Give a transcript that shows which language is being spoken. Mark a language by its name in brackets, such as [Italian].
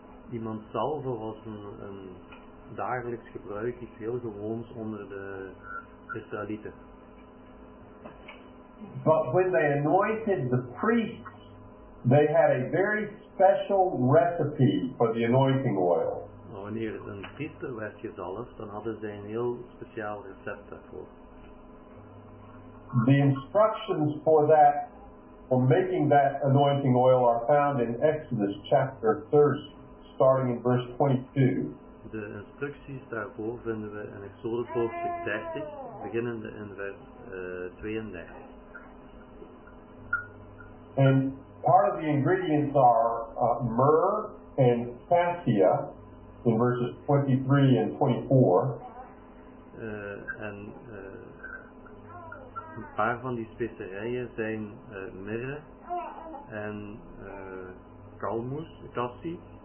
[Dutch] Iemand zalven was een dagelijks gebruik, iets heel gewoons onder de Israëlieten. [English] But when they anointed the priests, they had a very special recipe for the anointing oil. [Dutch] Nou, wanneer een priester werd gezalfd, dan hadden zij een heel speciaal recept daarvoor. [English] The instructions for that, for making that anointing oil, are found in Exodus chapter 3, starting in verse 22. [Dutch] De instructies daarvoor vinden we in Exodus hoofdstuk 30, beginnende in vers 32. [English] And part of the ingredients are myrrh and cassia in verses 23 and 24. [Dutch] Een paar van die specerijen zijn myrrh en kalmus, cassie.